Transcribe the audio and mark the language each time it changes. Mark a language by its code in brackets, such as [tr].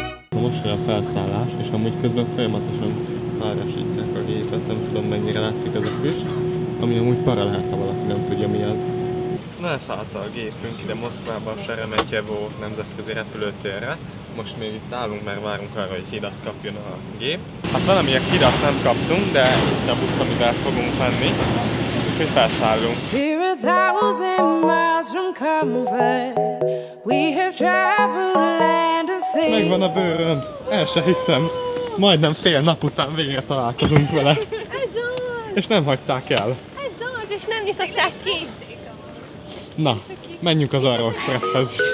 [hu] Most jön a felszállás, és amúgy közben folyamatosan párásítják a gépet, nem tudom mennyire látszik ez a füst, ami amúgy para lehet, ha valaki nem tudja, mi az. Na, elszállta a gépünk ide Moszkvában, Seremetyevo nemzetközi repülőtérre. Most még itt állunk, mert várunk arra, hogy hidat kapjon a gép. Hát valamilyen hidat nem kaptunk, de itt a busz, amivel fogunk menni, úgyhogy felszállunk. [en] Here a thousand miles from comfort, we have traveled land and sea. [hu] Megvan a bőrön, el se hiszem. Majdnem fél nap után végre találkozunk vele. Ez az! És nem hagyták el. Ez az, és nem is hagyták ki. Na, menjünk az Aeroexpresshez.